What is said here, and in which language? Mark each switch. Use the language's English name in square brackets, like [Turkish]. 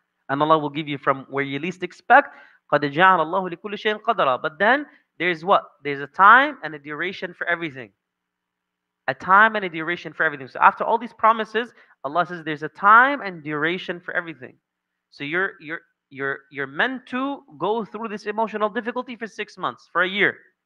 [English] And Allah will give you from where you least expect. [Arabic] قَدْ جَعَلَ اللَّهُ لِكُلِّ شَيْءٍ قَدْرًا [English] But then, there's what? There's a time and a duration for everything. A time and a duration for everything. So after all these promises, Allah says there's a time and duration for everything. So you're meant to go through this emotional difficulty for 6 months, for a year.